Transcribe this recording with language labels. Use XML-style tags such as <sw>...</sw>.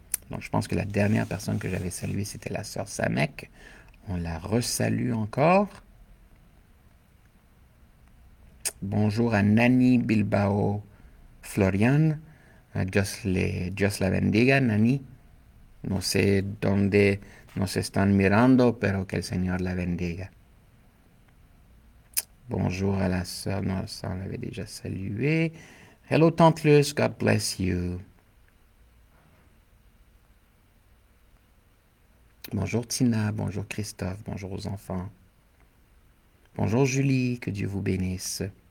<fr>Donc, je pense que la dernière personne que j'avais saluée, c'était la sœur Samek. On la resalue encore. Bonjour à Nani Bilbao Florian.</fr> <es>Dios la bendiga, Nani. No sé dónde nos están mirando, pero que el Señor la bendiga.</es> <fr>Bonjour à la sœur. Non, ça, on l'avait déjà saluée. Hello, Tante Luce.</fr> <en>God bless you.</en> <fr>Bonjour Tina, bonjour Christophe, bonjour aux enfants. Bonjour Julie, que Dieu vous bénisse.</fr>